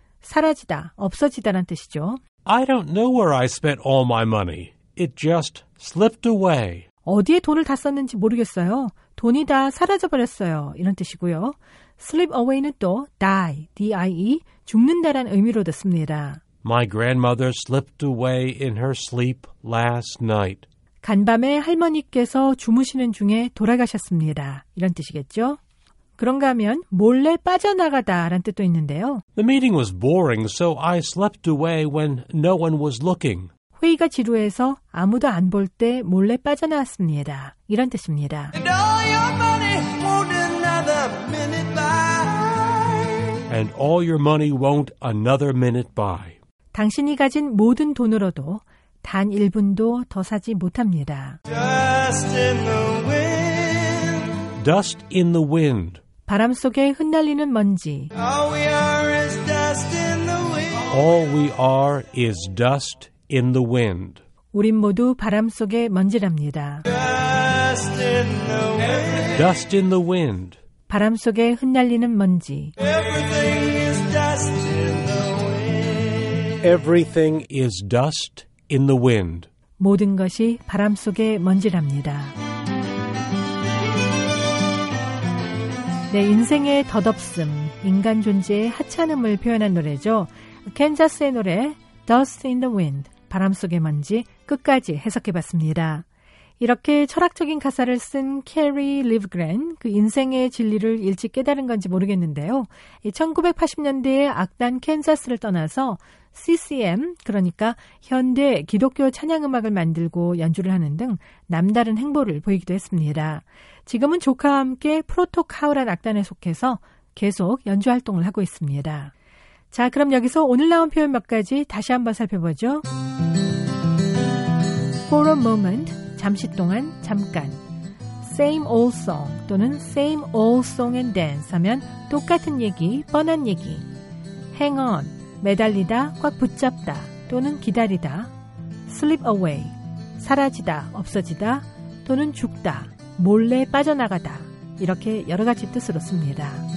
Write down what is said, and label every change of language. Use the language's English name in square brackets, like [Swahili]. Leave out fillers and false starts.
[Korean] 사라지다, 없어지다란 뜻이죠. [English] I don't know where I spent all my money. It just slipped away. [Korean] 어디에 돈을 다 썼는지 모르겠어요. 돈이 다 사라져버렸어요. 이런 뜻이고요. Slip away는 또 die, D-I-E, 죽는다란 의미로도 씁니다. [English] My grandmother slipped away in her sleep last night. [Korean] 간밤에 할머니께서 주무시는 중에 돌아가셨습니다. 이런 뜻이겠죠? 그런가 하면 몰래 빠져나가다란 뜻도 있는데요. [English] The meeting was boring, so I slept away when no one was looking. [Korean] 회의가 지루해서 아무도 안 볼 때 몰래 빠져나왔습니다. 이런 뜻입니다. [English] And all your money won't another minute by. And all your money won't another minute by. [Korean] 당신이 가진 모든 돈으로도 단 1분도 더 사지 못합니다. [English] Dust in the wind. Dust in the wind. [Korean] 바람 속에 흩날리는 먼지. [English] All we are is dust in the wind. All we are is dust in the wind. [Korean] 우린 모두 바람 속에 먼지랍니다. [English] Dust in the wind. Dust in the wind. [Korean] 바람 속에 흩날리는 먼지. [English] Everything is dust in the wind. Everything is dust in the wind. [Korean] 모든 것이 바람 속에 먼지랍니다. 내 인생의 덧없음, 인간 존재의 하찮음을 표현한 노래죠. 캔자스의 노래 Dust in the Wind, 바람 속의 먼지 끝까지 해석해봤습니다. 이렇게 철학적인 가사를 쓴 캐리 리브그렌, 그 인생의 진리를 일찍 깨달은 건지 모르겠는데요. 1980년대에 악단 캔자스를 떠나서 CCM, 그러니까 현대 기독교 찬양음악을 만들고 연주를 하는 등 남다른 행보를 보이기도 했습니다. 지금은 조카와 함께 프로토카우란 악단에 속해서 계속 연주 활동을 하고 있습니다. 자, 그럼 여기서 오늘 나온 표현 몇 가지 다시 한번 살펴보죠. [English] For a moment, [Korean] 잠시 동안, 잠깐. [English] Same old song 또는 same old song and dance [Korean] 하면 똑같은 얘기, 뻔한 얘기. Hang on, 매달리다, 꽉 붙잡다 또는 기다리다. Slip away, 사라지다, 없어지다 또는 죽다. 몰래 빠져나가다. 이렇게 여러 가지 뜻으로 씁니다.